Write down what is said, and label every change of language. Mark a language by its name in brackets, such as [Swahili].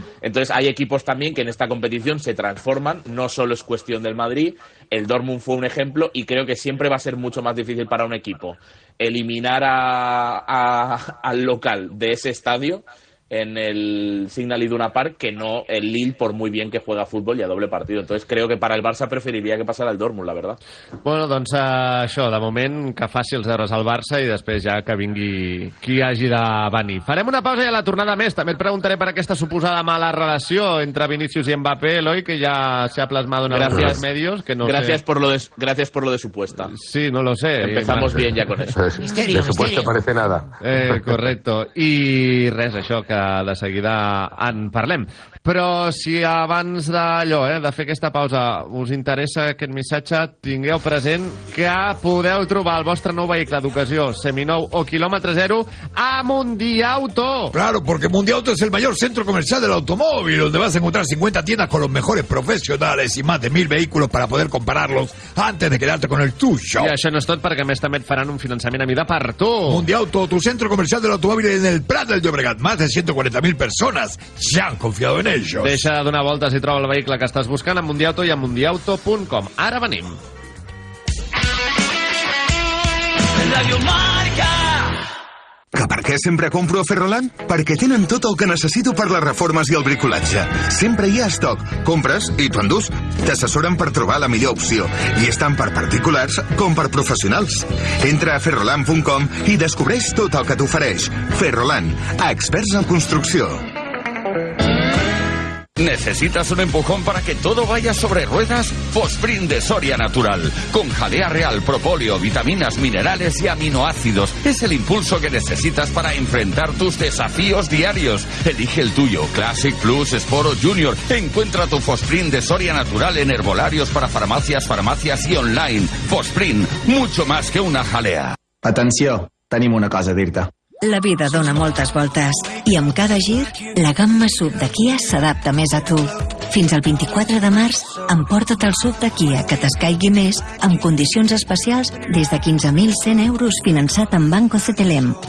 [Spanish] Entonces hay equipos también que en esta competición se transforman, no solo es cuestión del Madrid, el Dortmund fue un ejemplo y creo que siempre va a ser mucho más difícil para un equipo eliminar al local de ese estadio en el Signal Iduna Park que no el Lille, por muy bien que juega fútbol y a doble partido. Entonces creo que para el Barça preferiría que pasara el Dortmund, la verdad. [Catalan] Bueno, doncs això, de moment que faci els deures al Barça i després ja que vingui qui hagi de venir. Farem una pausa i a la tornada més. També et preguntaré per aquesta suposada mala relació entre Vinícius i Mbappé, Eloi, que ja s'ha plasmat en els medios. [Spanish] Gracias por lo de supuesta. Sí, no lo sé. Empezamos bien ya con eso. Misterio, de supuesto parece nada. Correcto. [Catalan] I res, això, que de seguida en parlem. Però si abans d'allò, de fer aquesta pausa, us interessa aquest missatge, tingueu present que podeu trobar el vostre nou vehicle d'ocasió, seminou o quilòmetre zero, a Mundiauto. [Spanish] Claro, porque Mundiauto es el mayor centro comercial del automóvil, donde vas a encontrar 50 tiendas con los mejores profesionales y más de 1.000 vehículos para poder compararlos antes de quedarte con el tuyo. [Catalan] I això no és tot, perquè a més també et faran un finançament a mida per tu. [Spanish] Mundiauto, tu centro comercial del automóvil en el Prat del Llobregat. Más de 140.000 personas ya han confiado en ellos. [Catalan] Deixa de donar voltes i troba el vehicle que estàs buscant a Mundiauto i a mundiauto.com. Ara venim. [Spanish] Radio Marca. [Catalan] Que per què sempre compro a Ferrolan? Perquè tenen tot el que necessito per les reformes i el bricolatge. Sempre hi ha estoc. Compres i t'ho endús. T'assessoren per trobar la millor opció. I estan per particulars com per professionals. Entra a ferrolan.com i descobreix tot el que t'ofereix. Ferrolan, experts en construcció. [Spanish] ¿Necesitas un empujón para que todo vaya sobre ruedas? Fosprin de Soria Natural. Con jalea real, propóleo, vitaminas, minerales y aminoácidos. Es el impulso que necesitas para enfrentar tus desafíos diarios. Elige el tuyo. Classic Plus, Sport o Junior. Encuentra tu Fosprin de Soria Natural en herbolarios, para farmacias, farmacias y online. Fosprin, mucho más que una jalea. [Catalan] Atenció, tenim una cosa a dir-te. La vida dona moltes voltes i amb cada gir, la gamma SUV de Kia s'adapta més a tu. Fins al 24 de març, emporta't el SUV de Kia que t'escaigui més amb condicions especials des de 15.100 euros finançat amb Banco Cetelem.